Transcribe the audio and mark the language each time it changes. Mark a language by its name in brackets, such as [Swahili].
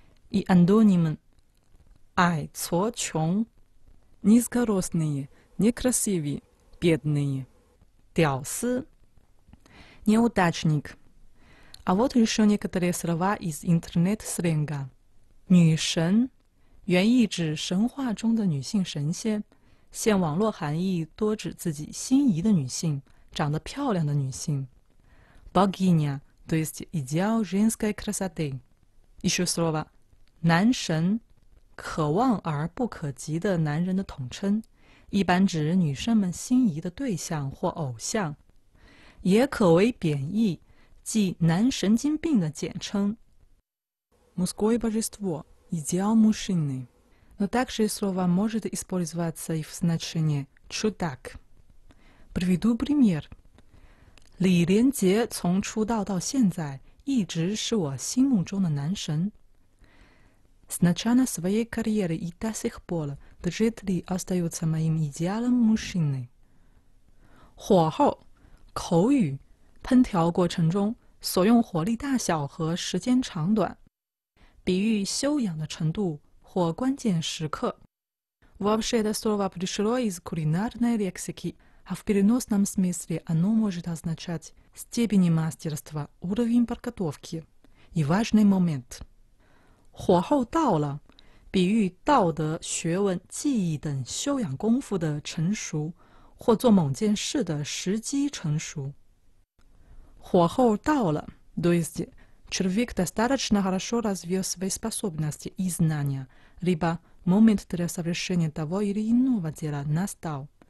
[Russian] И антоним «ай цо чонг» – низкоростные, некрасивые, бедные. Дяо си – неудачник. А вот еще некоторые слова из интернет-сленга. [Chinese] 女神, 原意指神话中的女性神仙, 现网络含义多指自己心仪的女性, 长得漂亮的女性. [Russian] богиня, то есть идеал женской красоты. Еще слово [Chinese] «наншен» – «渴望而不可及的男人的统称», «一般指女生们心仪的对象或偶像». «也可为贬义», «即 男神经病的简称». [Russian] Мужское божество – идеал мужчины. Но также слово может использоваться и в значении «чудак». Приведу пример. [Chinese] Ли Лен Цзе 从出道到现在 一直是我心目中的男神. [Russian] С начала своей карьеры и до сих пор Джет Ли остается моим идеалом мужчины. [Chinese] 火候, 口语, 烹调过程中, 所用火力大小和时间长短, 比喻修养的程度, 或关键时刻. [Russian] Вообще это слово пришло из кулинарной лексики, а в переносном смысле оно может означать степень мастерства, уровень подготовки и важный момент. [Chinese] 火候到了, 比喻道德、学问、技艺等修养功夫的成熟, 或做某件事的时机成熟. [Russian] 火候到了, то есть человек достаточно хорошо развил свои способности и знания, либо момент для совершения того или иного дела настал.